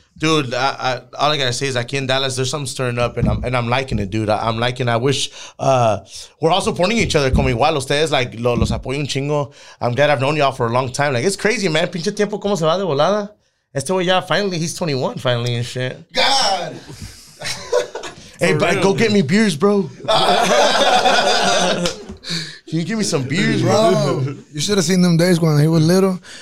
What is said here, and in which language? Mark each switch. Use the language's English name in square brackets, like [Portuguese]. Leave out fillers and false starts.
[English] Dude, all I gotta say is aquí in Dallas, there's something stirring up, and I'm liking it, dude. I'm liking it. I wish we're all supporting each other. [Spanish] Como igual, ustedes, like, los apoyo un chingo. [English] I'm glad I've known y'all for a long time. Like, it's crazy, man. [Spanish] Pinche tiempo, ¿cómo se va de volada? Este güey ya, [English] finally, he's 21, finally, and shit. God! Hey, bro, go get me beers, bro. Can you give me some beers, bro? You should have seen them days when he was little.